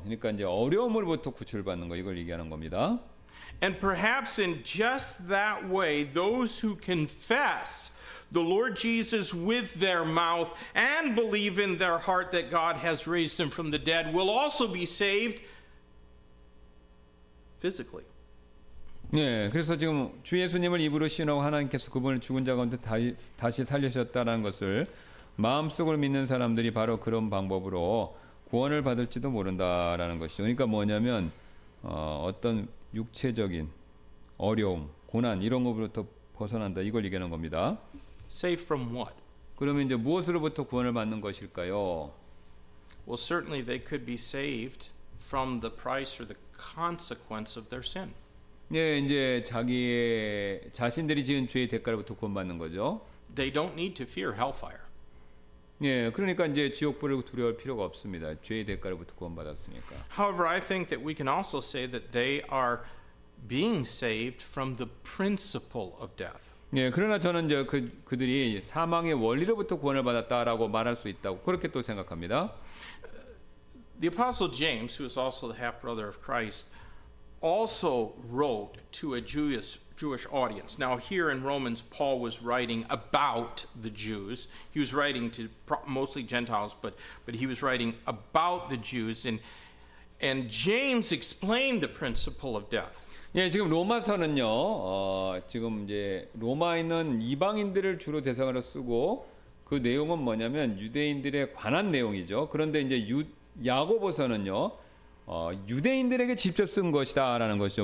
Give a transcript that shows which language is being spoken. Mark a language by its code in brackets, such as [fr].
[ko] 그러니까 이제 어려움으로부터 구출받는 거 이걸 얘기하는 겁니다. [en] And perhaps in just that way, those who confess the Lord Jesus with their mouth and believe in their heart that God has raised him from the dead will also be saved physically. [ko] 예, 그래서 지금 주 예수님을 입으로 신하고 하나님께서 그분을 죽은 자 가운데 다시 살리셨다는 것을 마음속으로 믿는 사람들이 바로 그런 방법으로 구원을 받을지도 모른다라는 것이죠. 그러니까 뭐냐면 어떤 육체적인 어려움, 고난 이런 것부터 벗어난다. 이걸 얘기하는 겁니다. [en] Safe from what? [ko] 그러면 이제 무엇으로부터 구원을 받는 것일까요? [en] Well, certainly they could be saved from the price or the consequence of their sin. [ko] 네, 이제 자기의 자신들이 지은 죄의 대가로부터 구원받는 거죠. [en] They don't need to fear hellfire. [ko] 예, 그러니까 이제 지옥불을 두려워할 필요가 없습니다. 죄의 대가로부터 구원받았으니까. [en] However, I think that we can also say that they are being saved from the principle of death. [ko] 예, 그러나 저는 이제 그들이 사망의 원리로부터 구원을 받았다라고 말할 수 있다고 그렇게 또 생각합니다. [en] The Apostle James, who is also the half brother of Christ, also wrote to a Jewish audience. Now here in Romans, Paul was writing about the Jews. He was writing to mostly Gentiles, but he was writing about the Jews. And James explained the principle of death. [ko] 예, 지금 로마서는요. 지금 이제 로마에 있는 이방인들을 주로 대상으로 쓰고 그 내용은 뭐냐면 유대인들에 관한 내용이죠. 그런데 이제 야고보서는요. 유대인들에게 직접 쓴 것이다라는 것이죠.